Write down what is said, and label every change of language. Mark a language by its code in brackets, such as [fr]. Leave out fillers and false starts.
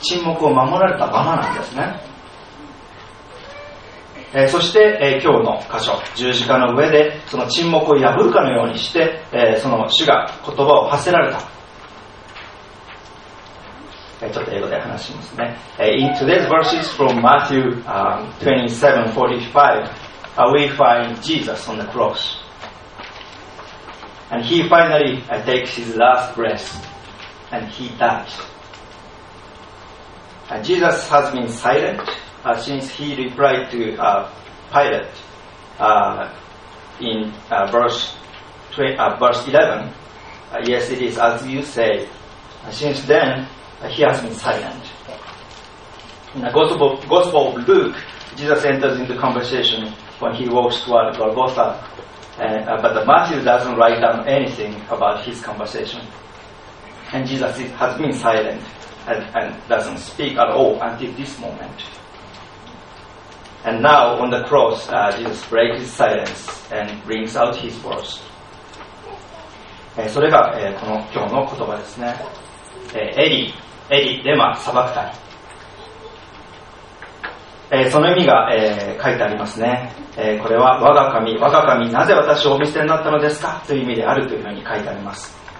[ja] 沈黙を守られたままなんですね。そして、今日の箇所、十字架の上でその沈黙を破るかのようにして、その主が言葉を発せられた。ちょっと英語で話しますね。 [en] In today's verses from Matthew 27:45 we find Jesus on the cross and he finally takes his last breath and he dies. Jesus has been silent since he replied to Pilate in verse 11. Yes, it is as you say. Since then, he has been silent. In the Gospel of Luke, Jesus enters into conversation when he walks toward Golgotha, but Matthew doesn't write down anything about his conversation. And Jesus has been silent and doesn't speak at all until this moment. And now, on the cross, Jesus breaks his silence and brings out his words. [ja] それが、この今日の言葉ですね。エリ、デマ、サバクタリ。その意味が、書いてありますね。これは、我が神、なぜ私をお見捨てになったのですかという意味であるというふうに書いてあります。